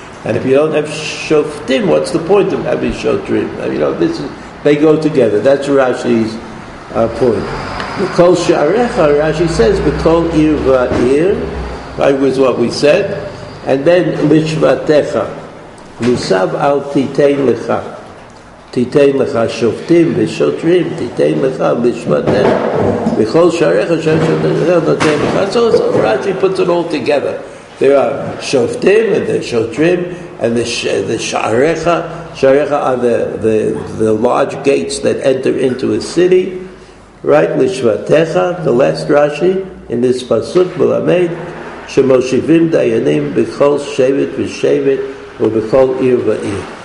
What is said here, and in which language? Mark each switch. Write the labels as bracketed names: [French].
[English] And if you don't have shoftim, what's the point of having shotrim? You know, they go together. That's Rashi's point. [Hebrew] B'kol sha'arecha, [English] Rashi says, [Hebrew] b'kol ir va'ir, [English] right, was what we said. And then, [Hebrew] lishvatecha, musav al titein lecha. תיתן לך שופטים ושוטרים, תיתן לך משפטים, וכל שעריך השם שוטרים נותן לך. [English] So Rashi puts it all together. There are שופטים and there are שוטרים, and the [Hebrew] שעריך, שעריך [English] are the large gates that enter into a city, right? [Hebrew] לשבטיך, [English] the last Rashi, in this [Hebrew] פסוק מלמד, שמושיבים דיינים בכל שבט ושבט, ובכל עיר ועיר.